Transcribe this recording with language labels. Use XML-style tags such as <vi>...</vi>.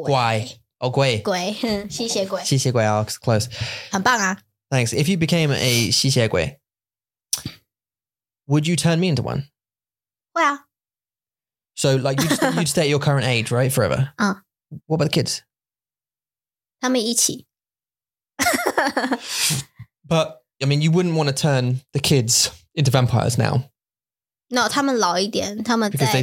<zh>他们不是人。吸血鬼。哦,鬼。吸血鬼。吸血鬼,</zh> <en>oh, it's close.</en> <zh>很棒啊。</zh> <en>Thanks. If you became a 吸血鬼, would you turn me into one?</en> <zh>会啊。</zh> <en>So like you just, you'd stay at your current age, right? Forever. What about the kids?</en> <zh>他们一起。</zh> <en>But, I mean, you wouldn't want to turn the kids into vampires now.</en> <zh>No, 他们老一点, 他们再大一点,</zh>